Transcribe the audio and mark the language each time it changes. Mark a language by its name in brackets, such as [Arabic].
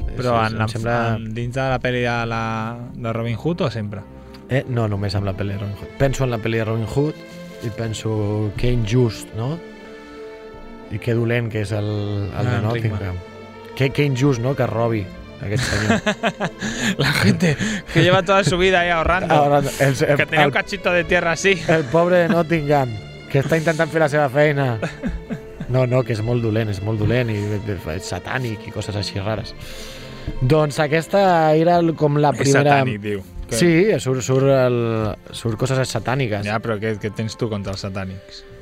[Catalan] Però dins de la pel·li de Robin Hood o sempre? No, només amb la pel·li de Robin Hood. Penso en la pel·li de Robin Hood i penso que injust, no? I que dolent que és el de Nottingham. Que injust, no? Que robi aquest senyor. [Spanish] La gente que lleva toda su vida ahí ahorrando. Que tenía un cachito de tierra así. [Catalan] El pobre de Nottingham, que està intentant fer la seva feina. No, no, que és molt dolent i satànic i coses així rares. Doncs aquesta era com la primera... És satànic, diu. Sí, surt coses satàniques. Ja, però què tens tu contra els satànics?